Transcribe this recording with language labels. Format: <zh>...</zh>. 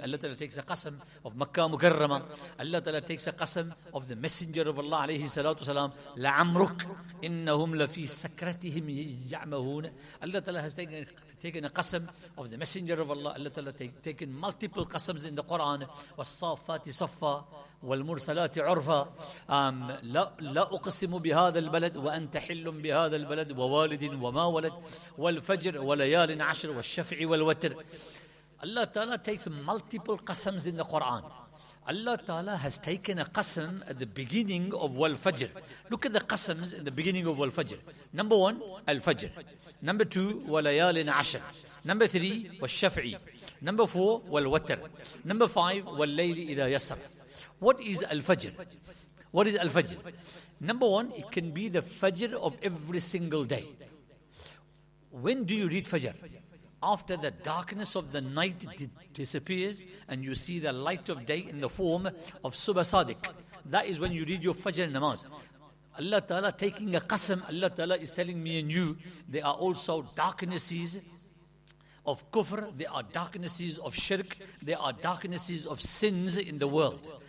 <en>Allah ta'ala takes a qasam of Makkah Mukarrama. Allah ta'ala takes a qasam of the Messenger of Allah alayhi salatu salam.</en> <ar>La'amruk, innahum lafi sakratihim ya'mahoon.</ar> <en>Allah ta'ala has taken a qasam of the Messenger of Allah. Allah ta'ala taken multiple qasams in the Quran.</en> <ar>Was-safati safa. والمرسلات عرفا لا أقسم بهذا البلد وأنت حل بهذا البلد ووالد وما ولد والفجر وليال عشر والشفع والوتر.</ar> <en>Allah Ta'ala takes multiple qasams in the Quran. Allah Ta'ala has taken a qasam at the beginning of wal-fajr. Look at the qasams in the beginning of wal-fajr. Number one, al-fajr. Number two,</en> <ar>وليال عشر.</ar> <en>Number three,</en> <ar>والشفع.</ar> <en>Number four, والوتر. Number five,</en> <ar>والليل إذا يسر.</ar> <en>What is Al-Fajr? What is Al-Fajr? Number one, it can be the Fajr of every single day. When do you read Fajr? After the darkness of the night disappears and you see the light of day in the form of Subah Sadiq. That is when you read your Fajr Namaz. Allah Ta'ala taking a Qasam, Allah Ta'ala is telling me and you, there are also darknesses of Kufr, there are darknesses of Shirk, there are darknesses of sins in the world.</en>